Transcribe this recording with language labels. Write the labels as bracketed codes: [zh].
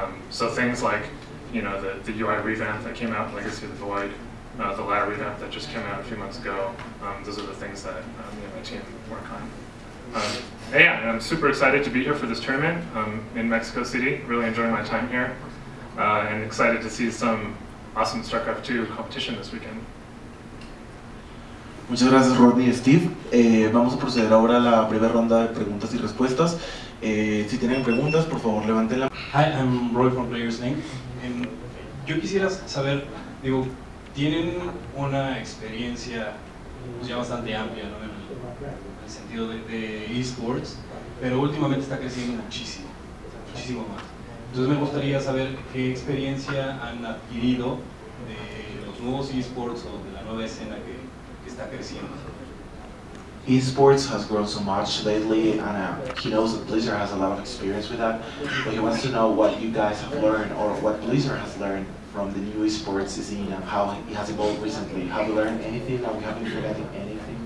[en] So things like, you know, the UI revamp that came out, Legacy of the Void, the ladder revamp that just came out a few months ago. Those are the things that me and my team work on. And I'm super excited to be here for this tournament in Mexico City. Really enjoying my time here, and excited to see some awesome StarCraft 2 competition this weekend. [es] Muchas gracias, Rodney y Steve. Vamos a proceder ahora a la breve ronda de preguntas y respuestas. Si tienen preguntas, por favor, levanten la. [en] Hi, I'm Roy from Players Inc. [es] Yo quisiera saber, digo, tienen una experiencia ya bastante amplia, ¿no? El sentido de eSports, pero últimamente está creciendo muchísimo, muchísimo más. Entonces me gustaría saber qué experiencia han adquirido de los nuevos eSports o de la nueva escena que está creciendo. [en] eSports has grown so much lately, and he knows that Blizzard has a lot of experience with that, but he wants to know what you guys have learned or what Blizzard has learned from the new eSports scene and how it has evolved recently. Have you learned anything that we haven't forgotten anything?